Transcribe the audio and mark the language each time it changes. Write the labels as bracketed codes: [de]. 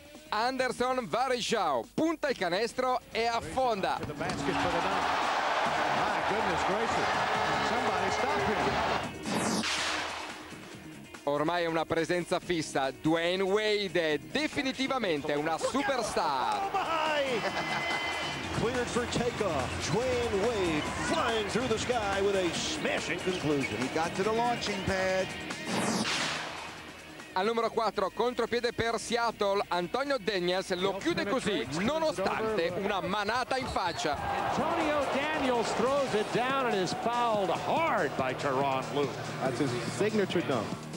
[it] Anderson Varejao punta il canestro e affonda. Ormai è una presenza fissa, Dwayne Wade è definitivamente una superstar. [en] Oh my! Cleared for takeoff. Dwayne Wade flying through the sky with a smashing conclusion. He got to the launching pad. [it] Al numero 4, contropiede per Seattle, Antonio Daniels lo chiude così, nonostante una manata in faccia. [en] Antonio Daniels throws it down and is fouled hard by Tyronn Lue. That's his signature dunk.